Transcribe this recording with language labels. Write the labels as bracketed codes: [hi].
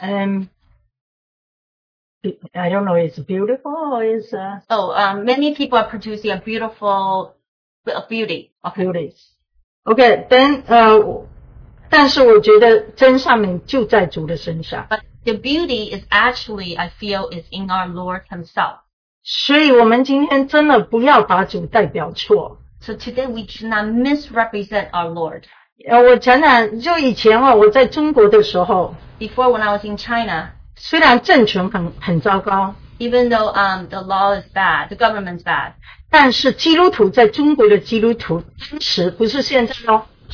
[en] I don't know, it's beautiful or it's... Many people are producing a beautiful beauty. Beauties. Okay, then... [zh] 但是我觉得真善美就在主的身上。 [en] But the beauty is actually, I feel, is in our Lord Himself. [zh] 所以我们今天真的不要把主代表错。 [en] So today we should not misrepresent our Lord. [zh] 我讲讲，就以前我在中国的时候 [en] Before when I was in China [zh] 虽然政权很糟糕 [en] Even though the law is bad, the government's bad [zh] 但是基督徒在中国的基督徒当时不是现在哦